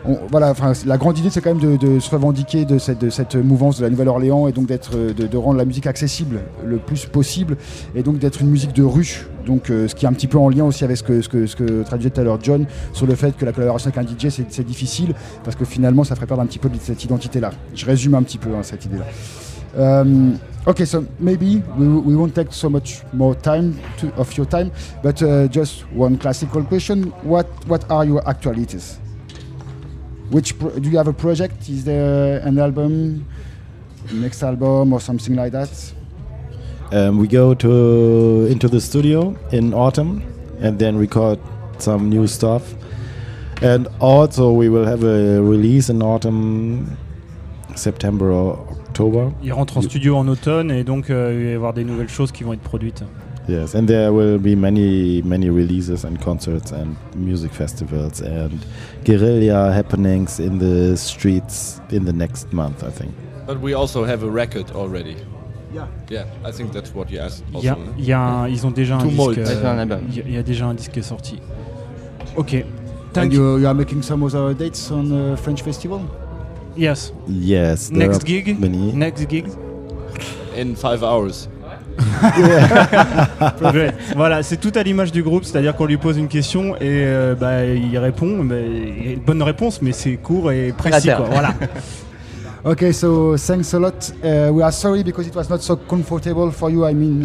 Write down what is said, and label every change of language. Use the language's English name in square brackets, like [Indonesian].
[French] Voilà, enfin, la grande idée, c'est quand même de se revendiquer de cette mouvance de la Nouvelle-Orléans et donc d'être de rendre la musique accessible le plus possible et donc d'être une musique de rue. Donc, ce qui est un petit peu en lien aussi avec ce que traduisait tout à l'heure John sur le fait que la collaboration avec un DJ c'est difficile parce que finalement ça ferait perdre un petit peu de cette identité-là. Je résume un petit peu hein, cette idée-là. [English] Okay, so maybe we won't take so much more time of your time, but just one classical question: What are your actualities? Do you have a project? Is there an album, next album, or something like that? We go into the studio in autumn, and then record some new stuff. And also, we will have a release in autumn, September or October. [French] Il rentre en studio en automne et donc il va y avoir des nouvelles choses qui vont être produites. [English] Yes, and there will be many, many releases and concerts and music festivals and guerrilla happenings in the streets in the next month, I think. But we also have a record already. Yeah. Yeah, I think that's what you asked. Also. [French] Ils ont déjà un disque. Il y a déjà un disque sorti. Ok. [English] And you are making some other dates on the French festival. Yes. Yes. Next gig. Many. Next gig. In 5 hours. Yeah. [French] Voilà, c'est tout à l'image du groupe, c'est-à-dire qu'on lui pose une question et bah, il répond. Bah, bonne réponse, mais c'est court et précis. Quoi, voilà. [English] Okay, so thanks a lot. We are sorry because it was not so comfortable for you. I mean,